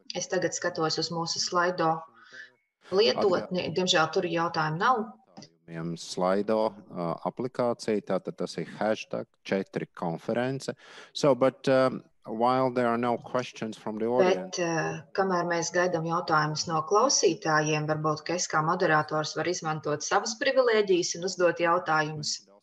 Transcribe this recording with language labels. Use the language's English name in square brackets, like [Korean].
[Latvian] Es tagad skatos uz mūsu slaido lietotni, diemžēl tur jautājumu nav. Slido aplikācija, tātad tas ir hashtag 4 konference. [English] So, but while there are no questions from the audience. [Latvian] Bet kamēr mēs gaidām jautājumus no klausītājiem, varbūt, ka es kā moderators var izmantot savas privilēģijas un uzdot jautājumus.